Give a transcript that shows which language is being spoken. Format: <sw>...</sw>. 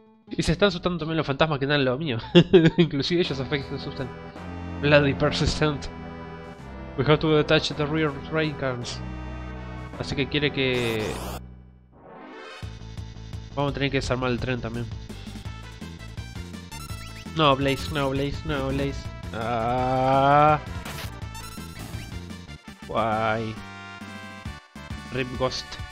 <es>Y se están asustando también los fantasmas que dan lo mío. Inclusive ellos se asustan.</es> <en>Bloody persistent. We have to detach the rear train cars.</en> <es>Así que quiere que. Vamos a tener que desarmar el tren también.</es> <en>No, Blaze, no, Blaze, no, Blaze. Ah. Why? Rip Ghost.</en>